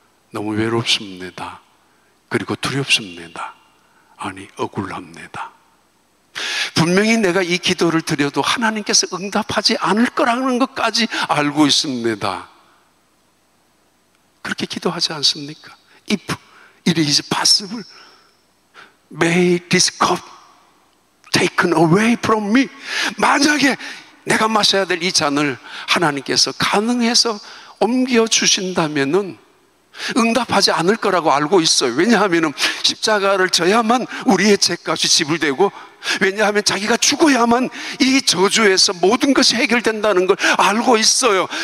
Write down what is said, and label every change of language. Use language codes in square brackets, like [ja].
[ko] 너무 외롭습니다. 그리고 두렵습니다. 아니 억울합니다. 분명히 내가 이 기도를 드려도 하나님께서 응답하지 않을 거라는 것까지 알고 있습니다. 그렇게 기도하지 않습니까? [en] If it is possible, may this cup taken away from me. [ko] 만약에 내가 마셔야 될 이 잔을 하나님께서 가능해서 옮겨주신다면은 응답하지 않을 거라고 알고 있어요. 왜냐하면 십자가를 져야만 우리의 죄값이 지불되고, 왜냐하면 자기가 죽어야만 이 저주에서 모든 것이 해결된다는 걸 알고 있어요.